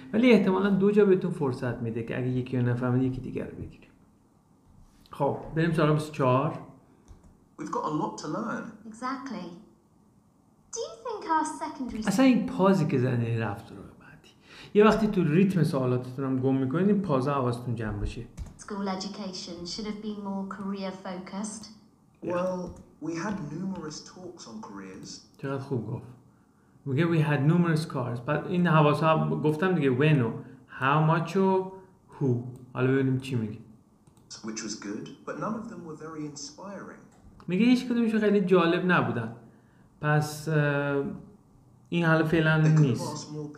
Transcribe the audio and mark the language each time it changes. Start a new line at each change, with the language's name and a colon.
Persian: ولی احتمالا دو جا بهتون فرصت میده که اگه یکی رو نفهمید یکی دیگر رو بگیره. خب بریم سراغ 24.
English: We've got a lot to learn. Exactly. Do you think our secondary...
Persian: اصلا این پازی که زنه رفت رو بعدی. یه وقتی تو ریتم سوالاتتون هم گم میکنید این پازه حواستون جمع باشه.
English: School education should have been more career focused. Well, we had numerous talks on careers.
Persian: چقدر خوب گفت. میگه
English: we had numerous cars.
Persian: بعد این حواس ها گفتم دیگه when و how much و who. حالا ببینیم چی میگه.
English: Which was good, but none of them were very inspiring.
Persian: میگه هیچ کدومشون خیلی جالب نبودن. پس این حال فعلا نیست.